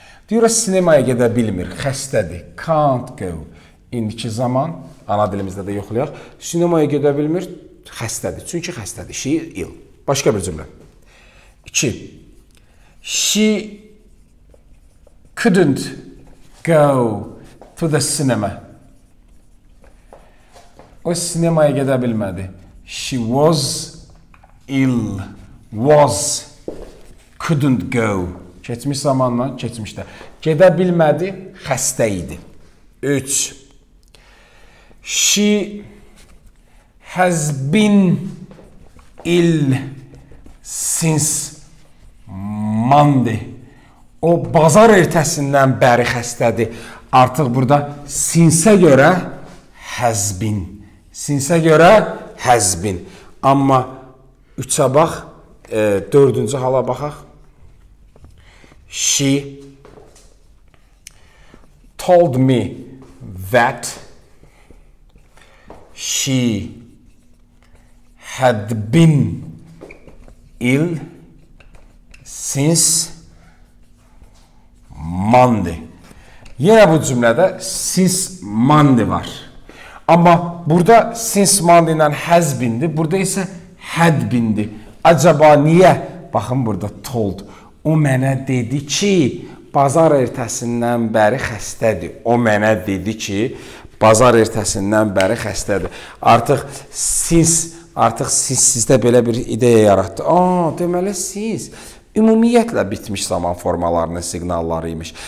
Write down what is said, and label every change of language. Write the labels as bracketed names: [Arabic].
[Azerbaijani] Deyir, sinemaya gedə bilmir, xəstədir. Can't go. İndiki zaman, ana dilimizdə də yoxlayaq. Sinemaya gedə bilmir, xəstədir. Çünki xəstədir. [English] She is ill. [Azerbaijani] Başqa bir cümlə. 2. [English] She couldn't go to the cinema. [Azerbaijani] O sinemaya gedə bilmədi. [English] She was ill. [Azerbaijani] Was. Couldn't go. Keçmiş zamanla keçmişdə. Gedə bilmədi, xəstə idi. 3. [English] She has been ill since Monday. [Azerbaijani] O, bazar ertəsindən bəri xəstədir. Artıq burada since-ə görə has been. Since-ə görə has been. Amma 3-ə bax, 4-cü hala baxaq. [English] She told me that she had been ill since Monday. [Azerbaijani] Yenə bu cümlədə since Monday var. Amma burada since Monday ilə has been-dir, burada isə had been-dir. Acaba niyə? Baxın burada told. O mənə dedi ki, bazar ertəsindən bəri xəstədir. O mənə dedi ki, bazar ertəsindən bəri xəstədir. Artıq siz, artıq siz sizdə belə bir ideya yaratdı. Aa, deməli siz. Ümumiyyətlə bitmiş zaman formalarının siqnallarıymış.